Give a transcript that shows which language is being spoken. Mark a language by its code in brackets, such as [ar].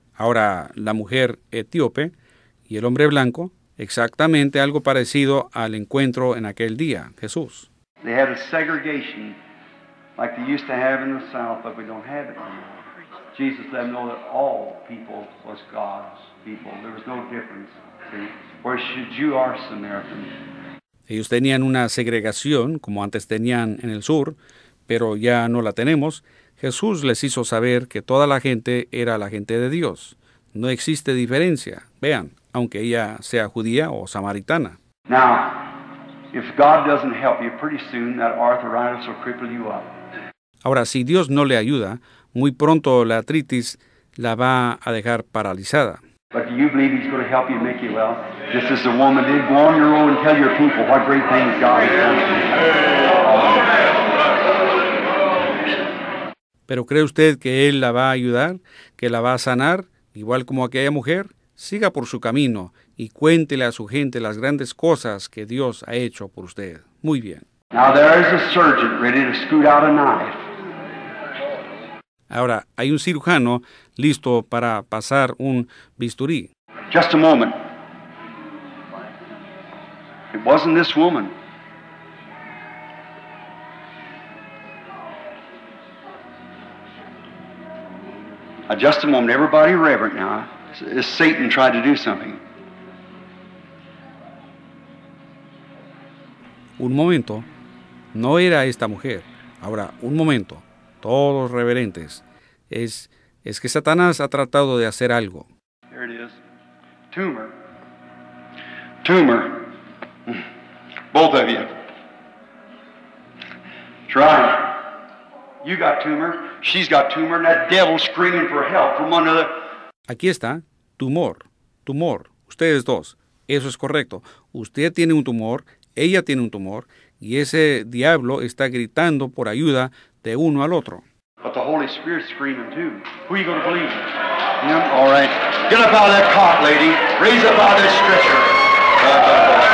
[es] Ahora, la mujer etíope y el hombre blanco, exactamente algo parecido al encuentro en aquel día, Jesús. [en] They had a segregation like they used to have in the South, but we don't have it anymore. Jesus let them know that all people was God's people. There was no difference. Where should you are Samaritan? [es] Ellos tenían una segregación, como antes tenían en el sur, pero ya no la tenemos. Jesús les hizo saber que toda la gente era la gente de Dios. No existe diferencia, vean, aunque ella sea judía o samaritana. [en] Now, if God doesn't help you, pretty soon that arthritis will cripple you up. [es] Ahora, si Dios no le ayuda, muy pronto la artritis la va a dejar paralizada. [en] But do you believe he's going to help you make you well? This is the woman. Then go on your own and tell your people what great things God has done. [es] ¿Pero cree usted que Él la va a ayudar, que la va a sanar, igual como aquella mujer? Siga por su camino y cuéntele a su gente las grandes cosas que Dios ha hecho por usted. Muy bien. [en] Now there is a surgeon ready to scoot out a knife. [es] Ahora, hay un cirujano listo para pasar un bisturí. [en] Just a moment. It wasn't this woman. Just a moment. Everybody reverent now. Satan tried to do something. [es] Un momento. No era esta mujer. Ahora, un momento. Todos reverentes. Es que Satanás ha tratado de hacer algo. [en] There it is. Tumor. Tumor. Both of you. Try. You got tumor. She's got tumor. And that devil screaming for help from one another. [es] Aquí está. Tumor. Tumor. Ustedes dos. Eso es correcto. Usted tiene un tumor. Ella tiene un tumor. Y ese diablo está gritando por ayuda de uno al otro. [en] But the Holy Spirit's screaming too. Who are you going to believe? Him? All right. Get up out of that cot, lady. Raise up out of that stretcher.